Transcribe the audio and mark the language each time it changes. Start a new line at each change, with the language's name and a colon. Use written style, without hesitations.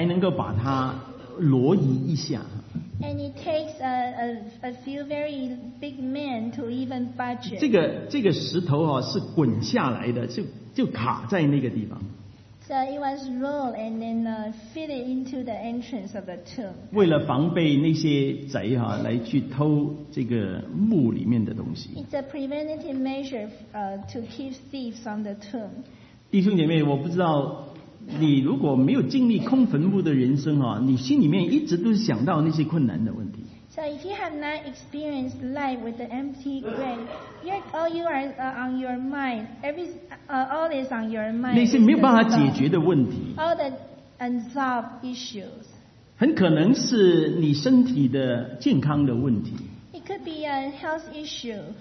Chinese: 那要几个大汉才能够把它挪移一下。
English: And it takes a few very big men to even budge it.
Chinese: 这个石头是滚下来的，就卡在那个地方。
English: So it was rolled and then fitted into the entrance of the tomb.
Chinese: 为了防备那些贼来去偷这个墓里面的东西。
English: It's a preventative measure to keep thieves from the tomb.
Chinese: 弟兄姐妹，我不知道你如果没有经历空坟墓的人生啊，你心里面一直都是想到那些困难的问题。
English: So if you have not experienced life with the empty grave, all you are on your mind. All is on your mind.
Chinese: 那些没有办法解决的问题。
English: All the unsolved issues.
Chinese: 很可能是你身体的健康的问题。
English: It could be a health issue.